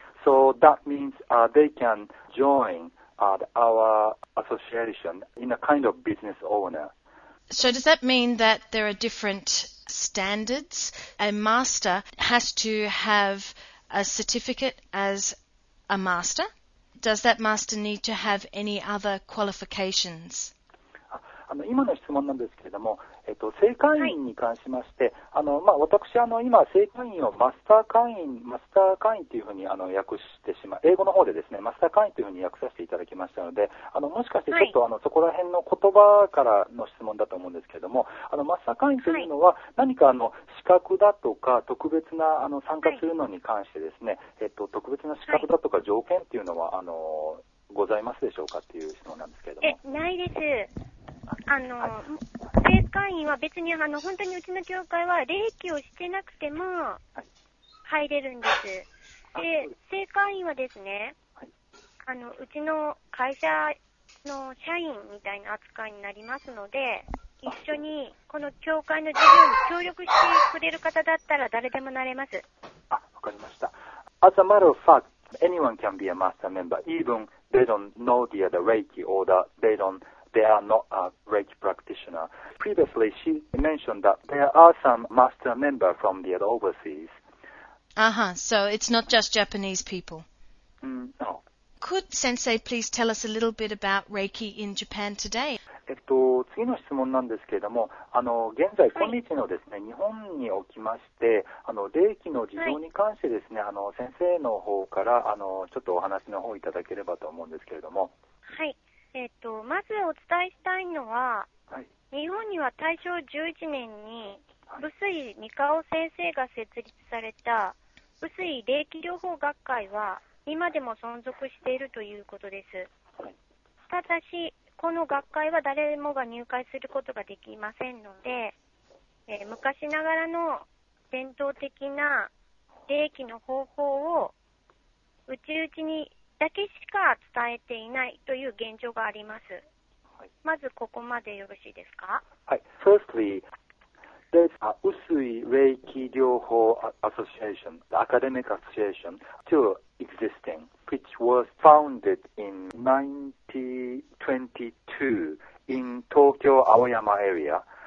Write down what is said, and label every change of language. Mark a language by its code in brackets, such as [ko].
[en] So that means they can join our association in a kind of business owner. So does that mean that there are different standards? A master has to have a certificate as a master. Does that master need to have any other qualifications? [ja] 今の質問なんですけれども、正会員に関しまして、はい、私今正会員をマスター会員というふうに訳してしまう、英語の方でですね、マスター会員というふうに訳させていただきましたので、もしかしてちょっと、はい、そこら辺の言葉からの質問だと思うんですけれども、マスター会員というのは、はい、何か資格だとか特別な参加するのに関してですね、はい、特別な資格だとか条件というのは、はい、ございますでしょうかという質問なんですけれども、ないです。正会員は別に本当にうちの教会は礼儀をしてなくても入れるんです。で、正会員はですね、うちの会社の社員みたいな扱いになりますので、一緒にこの教会の事業に協力してくれる方だったら誰でもなれます。わかりました。 [en] As a matter of fact, anyone can be a master member, even they don't know the reiki or they are not a Reiki practitioner. Previously, she mentioned that there are some master members from the overseas. Uh-huh. So it's not just Japanese people? No. Could Sensei please tell us a little bit about Reiki in Japan today? [ja] 次の質問なんですけれども、現在、今日のですね、はい、日本におきまして、霊気の事情に関してですね、はい、先生の方からちょっとお話の方をいただければと思うんですけれども。はい。まずお伝えしたいのは、はい、日本には大正11年に臼井三河夫先生が設立された臼井霊気療法学会は今でも存続しているということです。ただしこの学会は誰もが入会することができませんので、昔ながらの伝統的な霊気の方法を内々にだけしか伝えていないという現状があります。まずここまでよろしいですか？はい。 [en] Firstly, there's a Usui Reiki 療法 Association, the academic association, still existing, which was founded in 1922 in Tokyo Aoyama area.